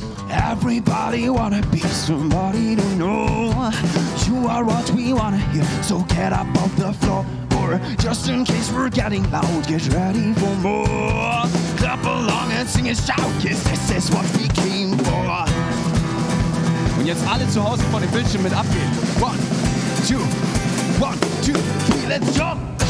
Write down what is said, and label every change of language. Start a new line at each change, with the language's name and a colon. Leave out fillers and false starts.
English: Everybody wanna be somebody to know. You are what we wanna hear, so get up off the floor. Or just in case we're getting loud, get ready for more. Clap along and sing and shout, 'cause this is what we came for.
German: Und jetzt alle zu Hause vor dem Bildschirm mit abgehen.
English: One, two, one, two, three, let's jump.